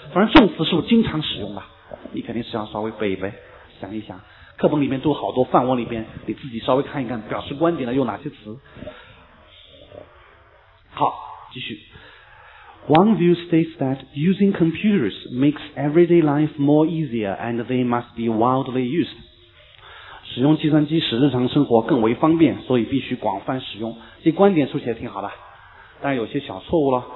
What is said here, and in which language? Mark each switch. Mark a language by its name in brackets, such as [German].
[Chinese] 反正这种词是不是经常使用的，你肯定是要稍微背一背，想一想课本里面都好多范文里边，你自己稍微看一看表示观点的有哪些词。好，继续。 [English] One view states that using computers makes everyday life more easier and they must be widely used. [Chinese] 使用计算机使日常生活更为方便，所以必须广泛使用。这观点出起来挺好的，但有些小错误了。